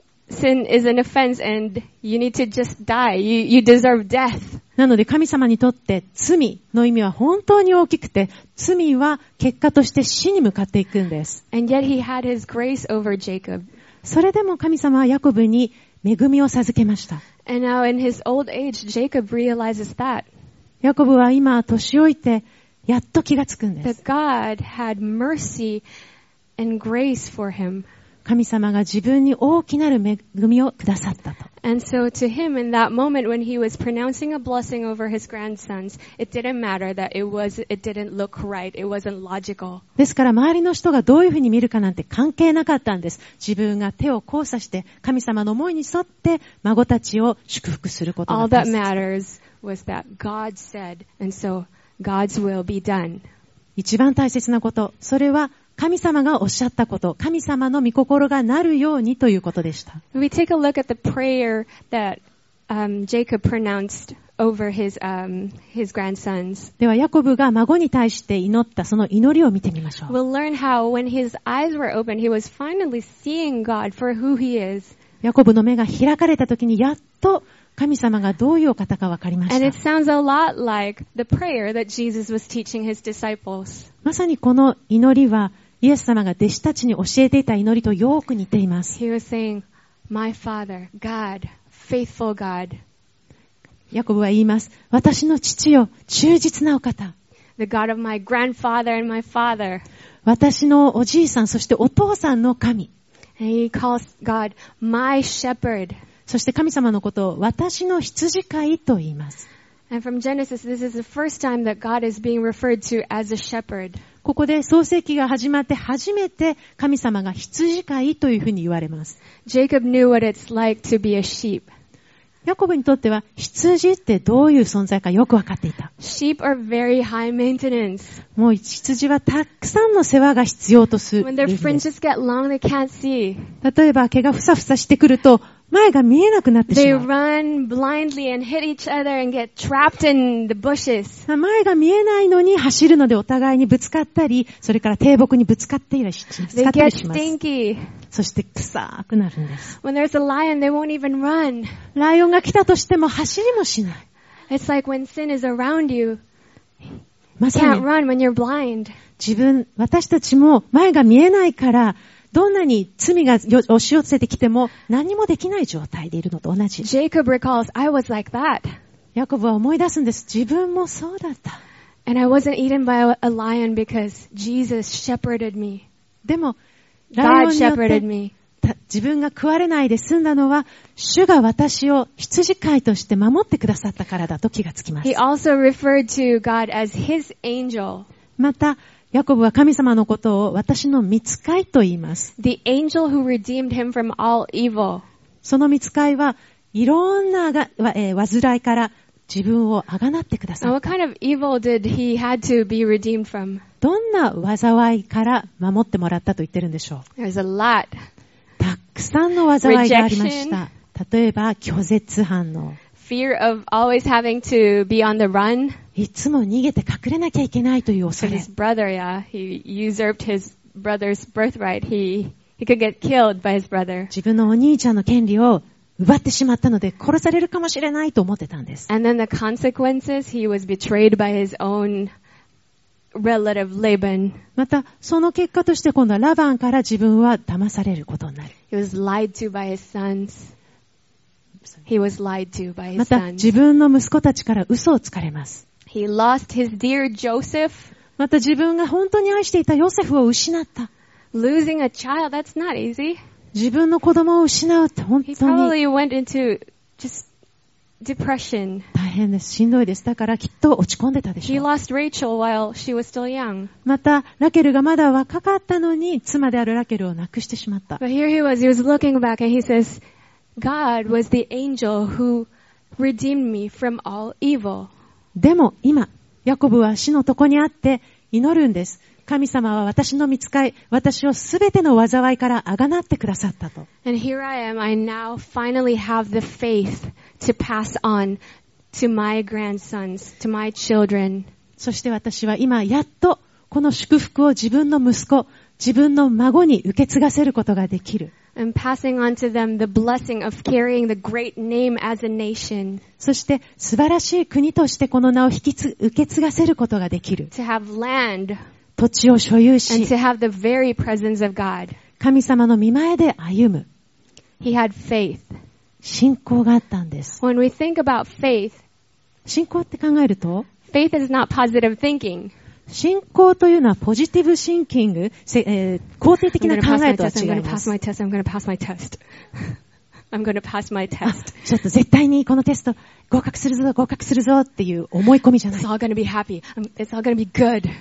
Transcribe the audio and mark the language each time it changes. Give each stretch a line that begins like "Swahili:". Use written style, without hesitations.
English: Sin is an offense, and you need to just die. You deserve death.
Japanese: なので神様にとって罪の意味は本当に大きくて、罪は結果として死に向かっていくんです。
English: And yet he had his grace over Jacob.
Japanese: それでも神様はヤコブに恵みを授けました。
English: And now in his old age, Jacob realizes that.
Japanese: ヤコブは今年老いてやっと気がつくんです。
English: That God had mercy and grace for him.
Japanese: 神様が自分に大きなる恵みをくださったと。
English: And so to him, in that moment when he was pronouncing a blessing over his grandsons, it didn't matter that it didn't look right. It wasn't logical.
Japanese: ですから周りの人がどういうふうに見るかなんて関係なかったんです。自分が手を交差して神様の思いに沿って孫たちを祝福することです。
English: All that matters was that God said, and so God's will be done.
Japanese: 一番大切なこと、それは神様がおっしゃったこと、神様の御心がなるようにということでした。
English: We take a look at the prayer that Jacob pronounced over his grandsons.
Japanese: ではヤコブが孫に対して祈ったその祈りを見てみましょう。
English: We'll learn how when his eyes were opened, he was finally seeing God for who he is.
Japanese: ヤコブの目が開かれた時にやっと神様がどういうお方か分かりました。
English: And it sounds a lot like the prayer that Jesus was teaching his disciples.
Japanese: まさにこの祈りはイエス様が弟子たちに教えていた祈りとよく似ています。
English: He was saying, "My Father, God, faithful God."
Japanese: ヤコブは言います。私の父よ、忠実なお方。
English: The God of my grandfather and my father.
Japanese: 私のおじいさん、そしてお父さんの神。
English: And he calls God my shepherd.
Japanese: そして神様のことを私の羊飼いと言います。
English: And from Genesis, this is the first time that God is being referred to as a shepherd.
Japanese: ここで創世記が始まって初めて神様が羊飼いというふうに言われます。
English: Jacob knew what it's like to be a sheep.
Japanese: ヤコブにとっては羊ってどういう存在かよくわかっていた。
English: Sheep are very high maintenance.
Japanese: もう羊はたくさんの世話が必要とする。
English: When their fringes get long, they can't see.
Japanese: 例えば毛がふさふさしてくると前が見えなくなってしまう。
English: They run blindly and hit each other and get trapped in the bushes.
Japanese: 前が見えないのに走るのでお互いにぶつかったり、それから低木にぶつかっているし、
English: They get stinky.
Japanese: そして臭くなるんです。
English: When there's a lion, they won't even run.
Japanese: ライオンが来たとしても走りもしない。
English: It's like when sin is around you. You can't run when you're blind.
Japanese: 私たちも前が見えないから、どんなに罪が押し寄せてきても何もできない状態でいるのと同じ。
English: Jacob recalls, I was like that.
Japanese: ヤコブは思い出すんです。自分もそうだった。
English: And I wasn't eaten by a lion because Jesus shepherded me.
Japanese: でも、ライオンによって自分が食われないで済んだのは主が私を羊飼いとして守ってくださったからだと気がつきます。
English: He also referred to God as his angel.
Japanese: また、ヤコブは神様のことを私の御使いと言います。
English: The angel who redeemed him from all evil.
Japanese: その御使いはいろんな煩いから自分をあがなってくださった。
English: What kind of evil did he had to be redeemed from?
Japanese: どんな災いから守ってもらったと言ってるんでしょう。
English: There's a lot.
Japanese: たくさんの災いがありました。例えば拒絶反応。
English: Fear of always having to be on the run.
Japanese: いつも逃げて隠れなきゃいけないという恐れ。
English: His brother, yeah, he usurped his brother's birthright. He could get killed by his brother.
Japanese: 自分のお兄ちゃんの権利を奪ってしまったので殺されるかもしれないと思ってたんです。
English: And then the consequences, he was betrayed by his own relative Laban.
Japanese: またその結果として今度はラバンから自分は騙されることになる。
English: He was lied to by his sons. He was lied to by his
Japanese: また自分の息子たちから嘘をつかれます。
English: He lost his dear Joseph.
Japanese: また自分が本当に愛していたヨセフを失った。
English: Losing a child, that's not easy.
Japanese: 自分の子供を失うって本当に。
English: He probably went into just depression.
Japanese: 大変です。しんどいです。だからきっと落ち込んでたでしょう。
English: He lost Rachel while she was still young.
Japanese: またラケルがまだ若かったのに妻であるラケルを亡くしてしまった。
English: But here he was looking back and he says,God was the angel who redeemed me from all evil.
Japanese: でも今ヤコブは死のとこにあって祈るんです。神様は私の御使い、私をすべての災いからあがなってくださったと。
English: And here I am. I now finally have the faith to pass on to my grandsons, to my children.
Japanese: そして私は今やっとこの祝福を自分の息子、自分の孫に受け継がせることができる。
English: And passing on to them the blessing of carrying the great name as a nation.
Japanese: そして素晴らしい国としてこの名を受け継がせることができる。
English: To have land.
Japanese: 土地を所有し。
English: And to have the very presence of God.
Japanese: 神様の御前で歩む。
English: He had faith.
Japanese: 信仰があったんです。
English: When we think about faith.
Japanese: 信仰って考えると。
English: Faith is not positive thinking.
Japanese: 信仰というのはポジティブシンキング、肯定的な考えとは違います。
English: I'm gonna pass my test. I'm gonna pass my test.
Japanese: ちょっと絶対にこのテスト合格するぞ、合格するぞっていう思い込みじゃない。
English: It's all gonna be happy. It's all gonna be good.